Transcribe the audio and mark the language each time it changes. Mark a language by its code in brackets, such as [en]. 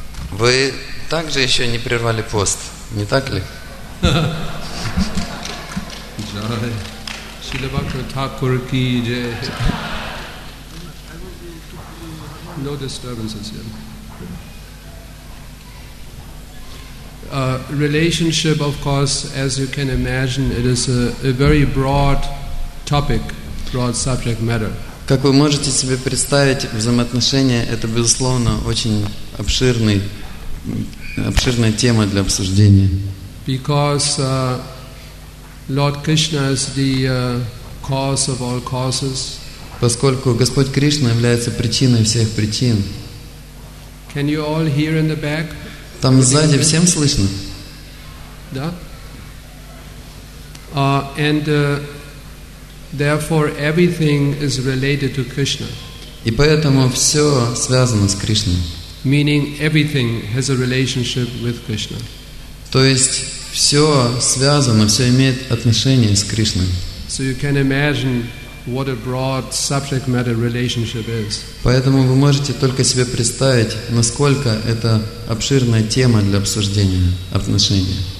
[ru] Вы также еще не прервали пост, не так ли? [en] Relationship, of course, as you can imagine, it is a very broad topic, broad subject matter. [ru] Как вы можете себе представить, взаимоотношения — это, безусловно, очень обширная тема для обсуждения. [en] Because Lord Krishna is the cause of all causes. [ru] Поскольку Господь Кришна является причиной всех причин. [en] Can you all hear in the back? [ru] Там сзади всем слышно? Да. [en] And therefore everything is related to Krishna. [ru] И поэтому все связано с Кришной. [en] Meaning everything has a relationship with Krishna. [ru] То есть все связано, все имеет отношение с Кришной. [en] So you can imagine what a broad subject matter relationship is. [ru] Поэтому вы можете только себе представить, насколько это обширная тема для обсуждения отношений.